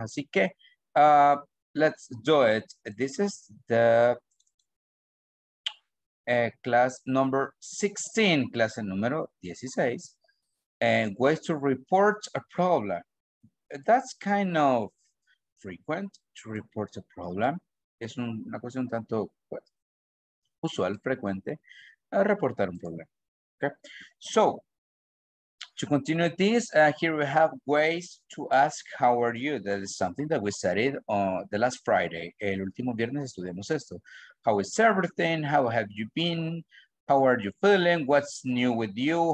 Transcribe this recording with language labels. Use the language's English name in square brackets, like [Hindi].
[Spanish] Así que [English] let's do it. This is the class number 16. [Spanish] Clase número 16. [English] Ways to report a problem. That's kind of frequent to report a problem. [Spanish] Es una cuestión tanto pues, usual, frecuente, a reportar un problema. [English] Okay? So, to continue this, here we have ways to ask how are you. That is something that we studied on the last Friday. [Spanish] El último viernes estudiamos esto. [English] How is everything? How have you been? How are you feeling? What's new with you?